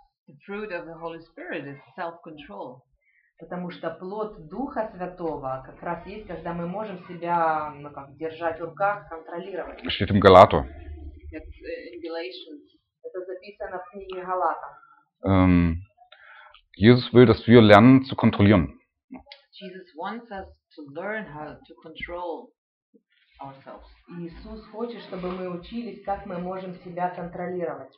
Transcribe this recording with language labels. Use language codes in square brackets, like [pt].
[en] The fruit of the Holy Spirit is self-control. [ru] Потому что плод Духа Святого как раз есть, когда мы можем себя, ну как, держать в руках, контролировать. [de] Steht im Galater. [en] It's in Galatians. [ru] Это записано в книге Галатам. [de] Jesus will, dass wir lernen zu kontrollieren. [en] Jesus wants us to learn how to control ourselves. [ru] Иисус хочет, чтобы мы учились, как мы можем себя контролировать.